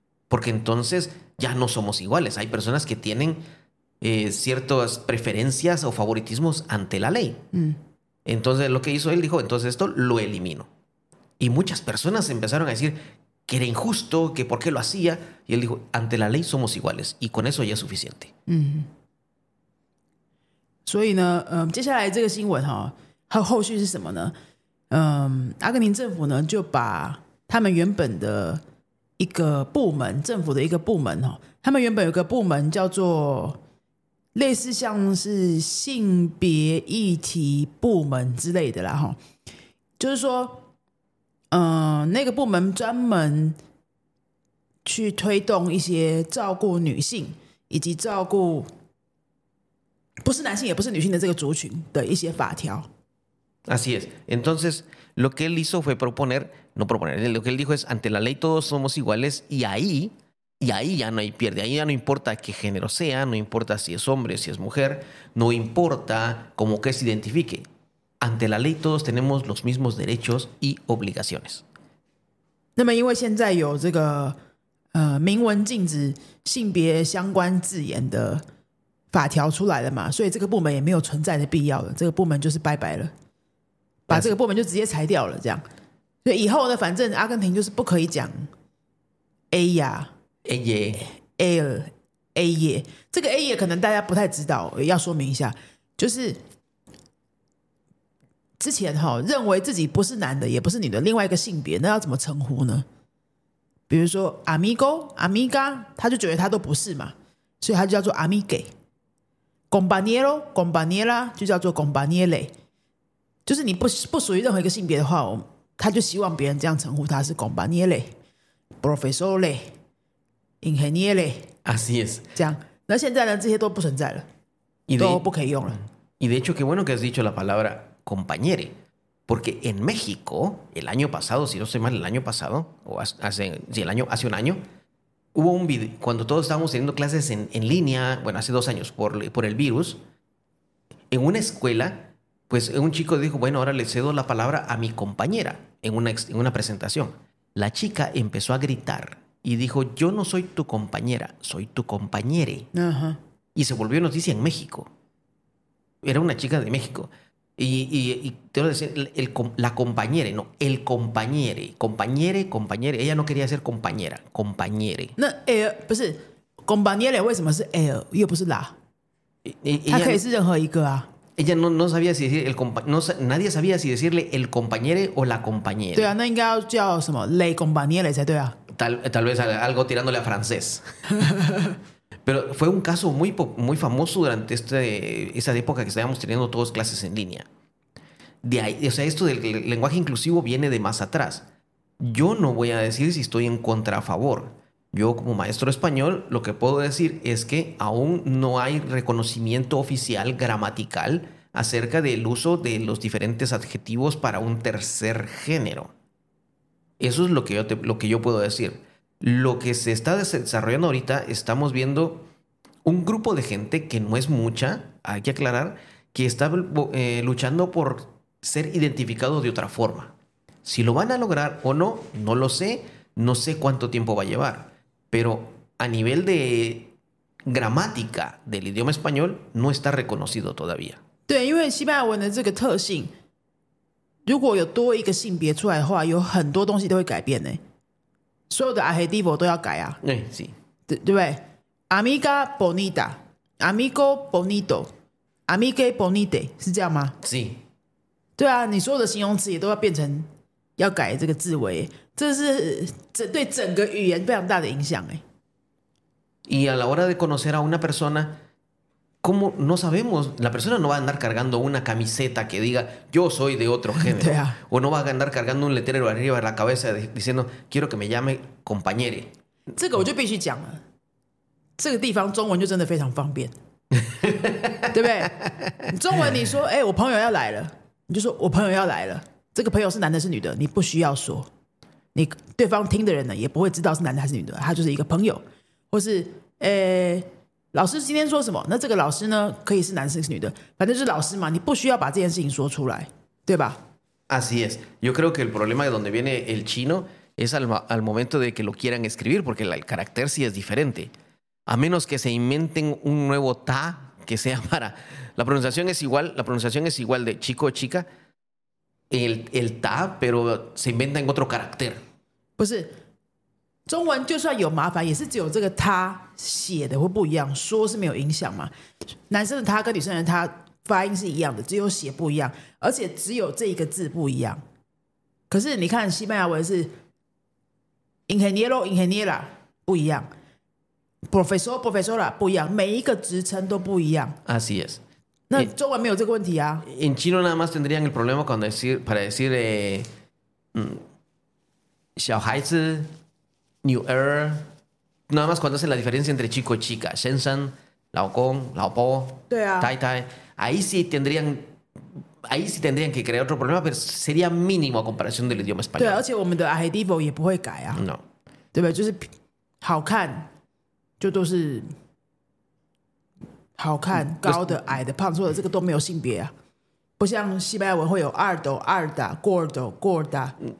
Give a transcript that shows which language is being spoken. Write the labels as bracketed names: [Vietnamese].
[Spanish] Porque entonces ya no somos iguales. Hay personas que tienen ciertas preferencias o favoritismos ante la ley. Mm. Entonces lo que hizo él dijo, entonces esto lo elimino. Y muchas personas empezaron a decir... que era injusto, que por qué lo hacía. Y él dijo, ante la ley somos iguales. Y con eso ya es suficiente. [Chinese] Mm-hmm. 所以呢, 接下来这个新闻, 后续是什么呢? 阿根廷政府呢就把他们原本的一个部门，政府的一个部门，他们原本有个部门叫做类似像是性别议题部门之类的啦，就是说那个部门专门去推动一些照顾女性以及照顾不是男性也不是女性的这个族群的一些法条。 [Spanish] Así es. Entonces, lo que él hizo fue proponer, no proponer, lo que él dijo es, ante la ley todos somos iguales y ahí ya no hay pierde. Ahí ya no importa qué género sea, no importa si es hombre, si es mujer, no importa cómo que se identifique. Ante la ley todos tenemos los mismos derechos y obligaciones. [Chinese] 那么因为现在有这个明文禁止性别相关字眼的法条出来了嘛，所以这个部门也没有存在的必要了，这个部门就是拜拜了。把这个部门就直接裁掉了，这样。所以以后呢，反正阿根廷就是不可以讲 ella、 [Spanish] ella、 él、ella。 [Chinese] 这个 ella 可能大家不太知道，要说明一下，就是之前哈认为自己不是男的，也不是女的，另外一个性别，那要怎么称呼呢？比如说 amigo、amiga， 他就觉得他都不是嘛，所以他就叫做 amigo。 compañero、compañera 就叫做 compañere。就是你 不属于任何一个性别的话，他就希望别人这样称呼他是 compañero, profesor, ingeniero, [Spanish] así es. [Chinese] 这样，那现在呢，这些都不存在了，都不可以用了。 [Spanish] Y de hecho, qué bueno que has dicho la palabra compañero, porque en México el año pasado, si no estoy mal, el año pasado o hace, si el año, hace un año, hubo un video cuando todos estábamos teniendo clases en línea, bueno, hace dos años por el virus, en una escuela. Pues un chico dijo, bueno, ahora le cedo la palabra a mi compañera en una presentación. La chica empezó a gritar y dijo, yo no soy tu compañera, soy tu compañere. Y se volvió noticia en México. Era una chica de México. Y te voy a decir, la compañere, no, el compañere. Compañere, compañere. Ella no quería ser compañera, compañere. No, pues, compañere, ¿por qué es él? Y no es la. Ella puede ser cualquiera. Ella no sabía si decir el compañero, nadie sabía si decirle el compañero o la compañera. [Chinese] 对啊，那应该要叫什么 ？Le compañero 才对啊。 [Spanish] Tal vez algo tirándole a francés. Pero fue un caso muy, muy famoso durante esa época que estábamos teniendo todas clases en línea. De ahí, o sea, esto del lenguaje inclusivo viene de más atrás. Yo no voy a decir si estoy en contra o a favor. Yo como maestro español lo que puedo decir es que aún no hay reconocimiento oficial gramatical acerca del uso de los diferentes adjetivos para un tercer género. Eso es lo que yo puedo decir. Lo que se está desarrollando ahorita, estamos viendo un grupo de gente que no es mucha, hay que aclarar, que está luchando por ser identificado de otra forma. Si lo van a lograr o no, no lo sé, no sé cuánto tiempo va a llevar. Pero a nivel de gramática del idioma español no está reconocido todavía. [Chinese] 对，因为西班牙文的这个特性，如果有多一个性别出来的话，有很多东西都会改变呢。所有的 adjetivo 都要改啊。对，是。对不对 ？ [Spanish] Amiga bonita, amigo bonito, amiga bonita [Chinese] 是这样吗？是。对啊，你所有的形容词也都要变成。要改这个字尾，这是对整个语言非常大的影响。 [Spanish] Y a la hora de conocer a una persona, como no sabemos, la persona no va a andar cargando una camiseta que diga yo soy de otro género, ¿sí? O no va a andar cargando un letrero arriba de la cabeza diciendo quiero que me llame compañere. [Chinese] 这个我就必须讲了，这个地方中文就真的非常方便，对不对？中文你说，哎，我朋友要来了，你就说我朋友要来了。这个朋友是男的是女的你不需要说你对方听的人呢也不会知道是男的还是女的他就是一个朋友或是老师今天说什么那这个老师呢可以是男生是女的反正就是老师嘛你不需要把这件事情说出来对吧 [Spanish] Así es Yo creo que el problema de donde viene el chino es al momento de que lo quieran escribir porque el carácter sí es diferente a menos que se inventen un nuevo ta que sea para la pronunciación es igual de chico o chica El ta, pero se inventa en otro carácter. [Chinese] 不是，中文就算有麻烦，也是只有这个他写的会不一样，说是没有影响嘛。男生的他跟女生的他发音是一样的，只有写不一样，而且只有这一个字不一样。可是你看西班牙文是 Ingeniero, Ingeniera 不一样， Profesor, Profesora 不一样，每一个职称都不一样。 [Spanish] Así es。 [Chinese] 那中文没有这个问题啊。 [Spanish] En chino nada más tendrían el problema cuando decir, para decir、 [Chinese] 小孩子 [Spanish] New Era nada más cuando hacen la diferencia entre chico y chica, [Chinese] 先生、老公、老婆、对啊、 [Spanish] 太太、ahí sí tendrían que crear otro problema, pero sería mínimo a comparación del idioma español. [Chinese] 对、啊、而且我们的 adjetivo 也不会改啊。 [Spanish] No. [Chinese] 对吧？就是好看，就都是好看、高的、矮的、胖瘦的，这个都没有性别啊。不像西班牙文会有 alto、alta、gordo、gorda。